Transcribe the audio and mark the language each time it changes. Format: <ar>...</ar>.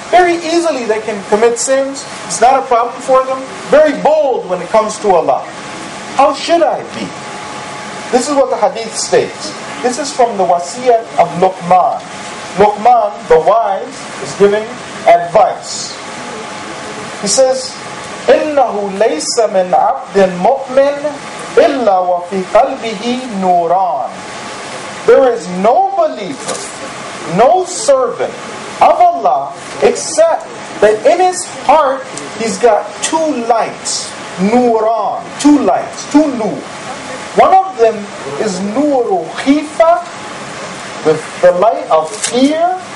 <en>Very easily they can commit sins. It's not a problem for them. Very bold when it comes to Allah. How should I be? This is what the hadith states. This is from the wasiyat of Luqman. Luqman, the wise, is giving advice. He says,</en> <ar>إِنَّهُ لَيْسَ مِنْ عَبْدٍ مُؤْمِنٍ إِلَّا وَفِي قَلْبِهِ نُورًا.</ar> <en>There is no believer, no servant of Allah, except that in his heart he's got two lights, nuran, two lights, two nur. One of them is nuru khifa, with the light of fear.</en>